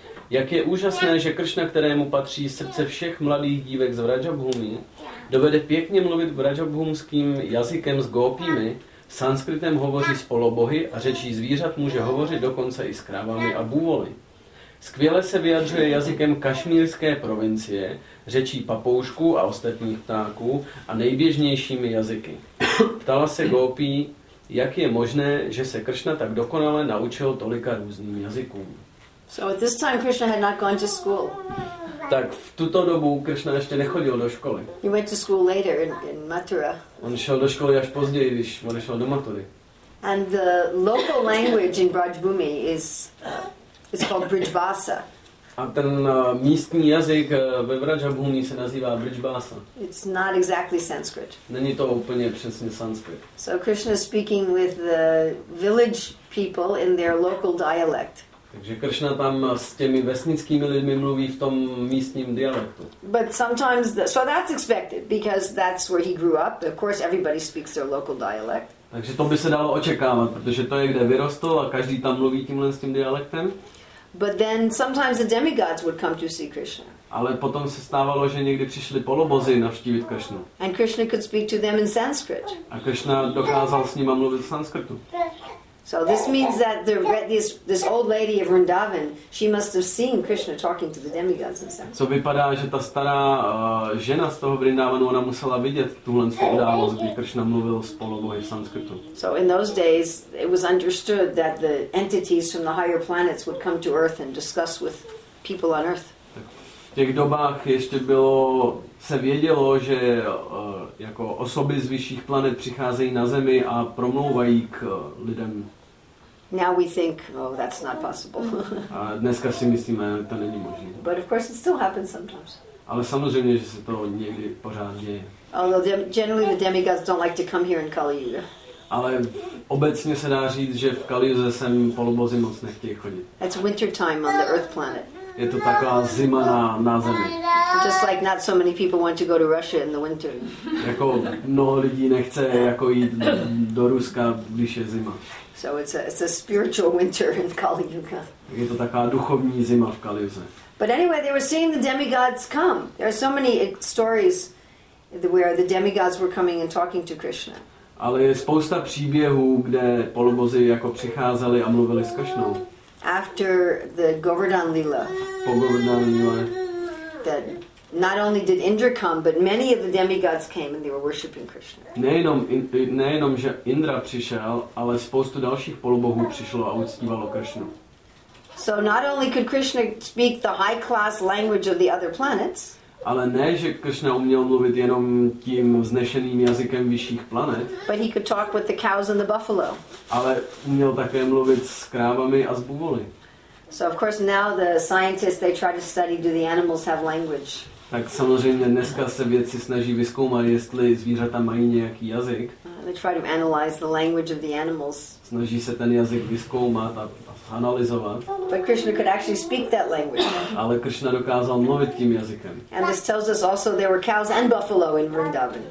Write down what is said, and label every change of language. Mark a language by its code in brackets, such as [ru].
[cs] Jak je úžasné, že Kršna, kterému patří srdce všech mladých dívek z Vrajabhumi, dovede pěkně mluvit vrajabhumským jazykem s gopími, sanskritem hovoří s polobohy a řečí zvířat může hovořit dokonce i s krávami a bůvoli. Skvěle se vyjadřuje jazykem kašmírské provincie, řečí papoušků a ostatních ptáků a nejběžnějšími jazyky. Ptala se gopí, jak je možné, že se Kršna tak dokonale naučil tolika různým jazykům. [en] So at this time Krishna had not gone to school. [cs] Tak v tuto dobu Krishna ještě nechodil do školy. [en] He went to school later in Mathura. [cs] On šel do školy až později, když odešel do Mathury. [en] And the local language in Brajbhumi is called Brijbasa. [cs] A ten místní jazyk ve Brajbhumi se nazývá Brijbasa. [en] It's not exactly Sanskrit. [cs] Není to úplně přesně sanskrit. [en] So Krishna is speaking with the village people in their local dialect. [cs] Takže Kršna tam s těmi vesnickými lidmi mluví v tom místním dialektu. [en] But sometimes so that's expected because that's where he grew up. Of course everybody speaks their local dialect. [cs] Takže to by se dalo očekávat, protože to je kde vyrostl a každý tam mluví tímhle s tím dialektem. [en] But then sometimes the demigods would come to see Krishna. [cs] Ale potom se stávalo, že někdy přišli polobozy navštívit Kršnu. [en] And Krishna could speak to them in Sanskrit. [cs] A Kršna dokázal s nima mluvit v sanskritu. [en] So this means that this old lady of Vrindavan, she must have seen Krishna talking to the demigods in Sanskrit. [cs] So vypadá, že ta stará žena z toho Vrindavanu, ona musela vidět tuhle událost, kdy Krishna mluvil s polobohy v sanskritu. [en] So in those days it was understood that the entities from the higher planets would come to earth and discuss with people on earth. [cs] V těch dobách ještě bylo, se vědělo, že jako osoby z vyšších planet přicházejí na Zemi a promlouvají k lidem. [en] Now we think, oh, that's not possible. [cs] A dneska si myslíme, že to není možné. [en] But of course it still happens sometimes. [cs] Ale samozřejmě, že se to někdy pořád děje. [en] Although generally the demigods don't like to come here in Kali Yuga. [cs] Ale obecně se dá říct, že v Kali Yuze sem polobozy moc nechtějí chodit. [en] It's winter time on the Earth planet. [cs] Je to taková zima na zemi. [en] Just like not so many people want to go to Russia in the winter. [cs] Jako mnoho lidí nechce jako jít do Ruska, když je zima. [en] So it's a spiritual winter in Kali Yuga. [cs] Je to taková duchovní zima v Kali Yuze. [en] But anyway, they were seeing the demigods come. There are so many stories where the demigods were coming and talking to Krishna. [cs] Ale je spousta příběhů, kde polobozy jako přicházeli a mluvili s Krishnou. [en] After the Govardhan Lila, [cs] po Govardhan Lila, [en] that not only did Indra come, but many of the demigods came and they were worshiping Krishna. [cs] Nejenom že Indra přišel, ale spoustu dalších polobohů přišlo a uctívalo Krishnu. [en] So not only could Krishna speak the high class language of the other planets, [cs] ale ne, že Krishna uměl mluvit jenom tím vznešeným jazykem vyšších planet. [en] But he could talk with the cows and the buffalo. [cs] Ale uměl také mluvit s krávami a s buvoly. [en] So of course now the scientists they try to study do the animals have language. [cs] Tak samozřejmě dneska se vědci snaží vyzkoumat, jestli zvířata mají nějaký jazyk. [en] They try to analyze the language of the animals. [cs] Snaží se ten jazyk vyzkoumat a analyzovat. [en] But Krishna could actually speak that language. [cs] Ale Krishna dokázal mluvit tím jazykem. [en] And this tells us also there were cows and buffalo in Vrindavan.